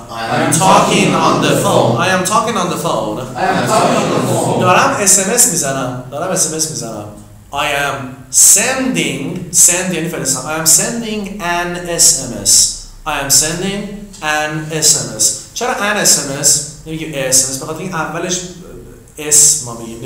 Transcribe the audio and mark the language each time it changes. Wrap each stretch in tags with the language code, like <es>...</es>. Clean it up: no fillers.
<en>I am talking on the phone. I am talking on the phone. I am talking on the phone.</en> <fa>دارم SMS میزنم. دارم SMS میزنم.</fa> <en>I am sending.</en> <fa>Send یعنی فرستادن.</fa> <en>I am sending an SMS. I am sending an SMS.</en> <fa>چرا an SMS؟ نمیگیم SMS. بخاطر اینکه اولش S ما میگیم.</fa>